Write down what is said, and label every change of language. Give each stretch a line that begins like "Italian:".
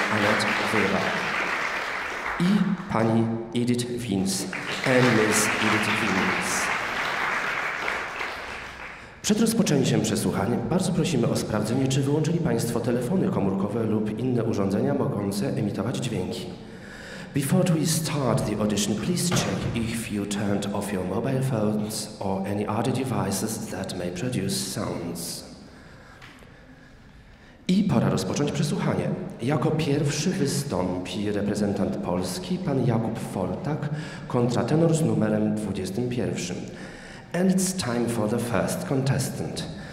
Polish: Annette Weber, i pani Edith Vince,
English: and Ms. Edith Vince.
Polish: Przed rozpoczęciem przesłuchań bardzo prosimy o sprawdzenie, czy wyłączyli Państwo telefony komórkowe lub inne urządzenia mogące emitować dźwięki.
English: Before we start the audition, please check if you turned off your mobile phones or any other devices that may produce sounds.
Polish: I pora rozpocząć przesłuchanie. Jako pierwszy wystąpi reprezentant Polski, pan Jakub Foltak, kontratenor z numerem 21.
English: And it's time for the first contestant.